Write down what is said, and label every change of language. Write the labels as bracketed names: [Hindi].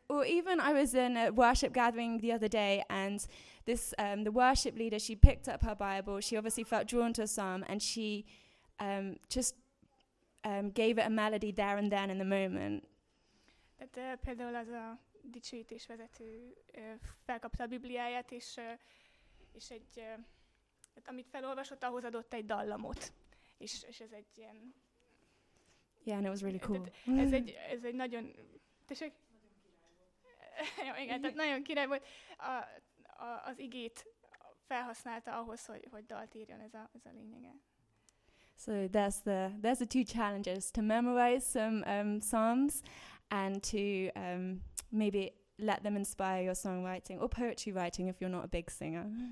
[English] Or even I was in a worship gathering the other day, and this the worship leader, she picked up her Bible, she obviously felt drawn to a psalm, and she just gave it a melody there and then in the moment. [Hungarian] Tehát például az a dicsőítésvezető felkapta a Bibliáját, és egy... Tehát amit felolvasott, ahhoz adott egy dallamot. És ez egy ilyen... [English] Yeah, and it was really cool. [Hungarian] Ez egy nagyon... Tessék? Nagyon király volt. Igen, tehát nagyon király volt. Az igét felhasználta ahhoz, hogy dalt írjon, ez a lényege. [English] So there's the two challenges, to memorize some psalms and to maybe let them inspire your songwriting or poetry writing if you're not a big singer.